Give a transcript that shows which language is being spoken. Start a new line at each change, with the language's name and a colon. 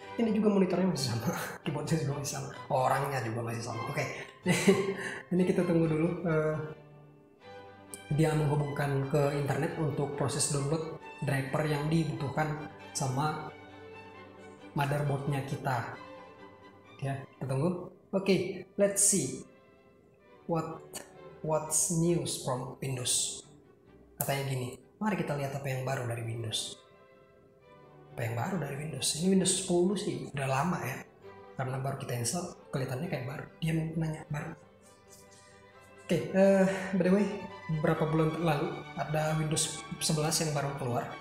Indonesian: Ini juga monitornya masih sama, keyboardnya juga masih sama, orangnya juga masih sama. Oke, okay. Ini kita tunggu dulu dia menghubungkan ke internet untuk proses download driver yang dibutuhkan sama motherboardnya kita ya. Kita tunggu.
English: Oke, okay, let's see what's news from Windows.
Indonesian: Katanya gini, mari kita lihat apa yang baru dari Windows. Apa yang baru dari Windows? Ini Windows 10 sih, udah lama ya. Karena baru kita install, kelihatannya kayak baru. Dia nanya, baru. Oke,
English: by the way,
Indonesian: beberapa bulan lalu ada Windows 11 yang baru keluar.